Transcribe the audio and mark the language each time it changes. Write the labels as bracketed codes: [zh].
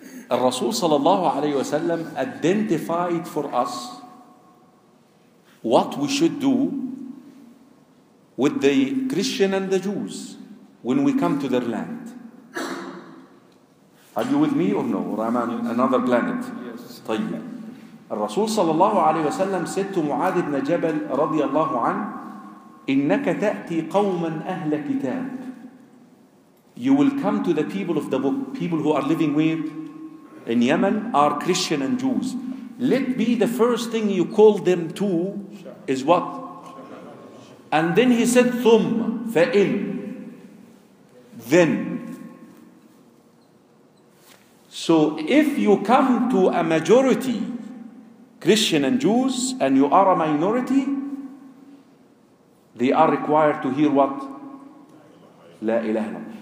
[ar] الرسول صلى الله عليه وسلم [en] identified for us what we should do with the Christian and the Jews when we come to their land. Are you with me or no? Or am I on another planet? Yes. [ar] طيب. الرسول صلى الله عليه وسلم [en] said to [ar] معاذ بن جبل رضي الله عنه إنك تأتي قوما أهل كتاب. [en] You will come to the people of the book. People who are living with in Yemen are Christian and Jews. Let be the first thing you call them to is what? And then he said [ar] ثم فإن. [en] Then, so if you come to a majority Christian and Jews and you are a minority, they are required to hear what? [ar] La ilaha illallah.